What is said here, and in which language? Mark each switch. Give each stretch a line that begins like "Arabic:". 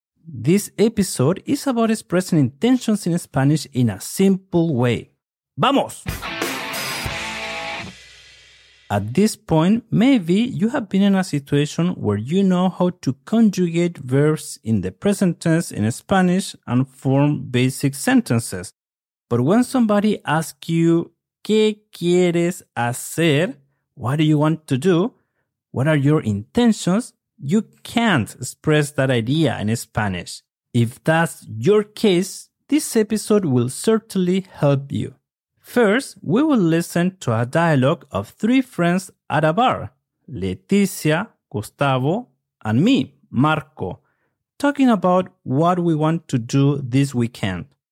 English: This episode is about expressing intentions in Spanish in a simple way.
Spanish: ¡Vamos!
English: At this point, maybe you have been in a situation where you know how to conjugate verbs in the present tense in Spanish and form basic sentences. But when somebody asks you,
Spanish: ¿qué quieres hacer?
English: What do you want to do? What are your intentions? You can't express that idea in Spanish. If that's your case, this episode will certainly help you. First, we will listen to a dialogue of three friends at a bar, Leticia, Gustavo, and me, Marco, talking about what we want to do this weekend.